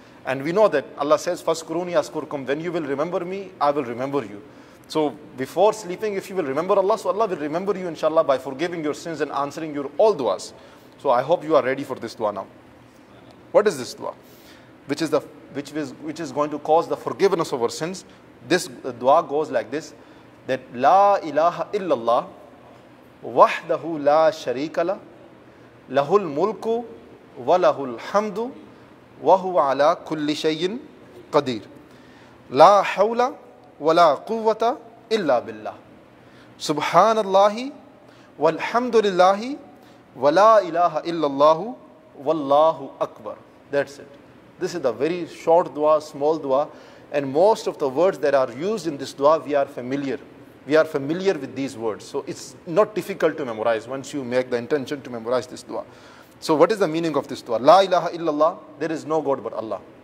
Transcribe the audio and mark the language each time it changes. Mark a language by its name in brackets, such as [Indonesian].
[English] And we know that Allah says, [Arabic] Faskuruni askurkum, [English] when you will remember me, I will remember you. So before sleeping, if you will remember Allah, so Allah will remember you, inshallah, by forgiving your sins and answering your all duas. So I hope you are ready for this dua now. What is this dua? Which is going to cause the forgiveness of our sins. This dua goes like this, that [Arabic] La ilaha illallah, وحده لا شريك له له الملك وله الحمد وهو على كل شيء قدير لا حول ولا قوة إلا بالله سبحان الله والحمد لله ولا إله إلا الله والله أكبر. [English] That's it. This is a very short dua, small dua, and most of the words that are used in this dua we are familiar. we are familiar with these words. So it's not difficult to memorize once you make the intention to memorize this dua. So what is the meaning of this dua? [Arabic] La ilaha illallah, [English] there is no God but Allah.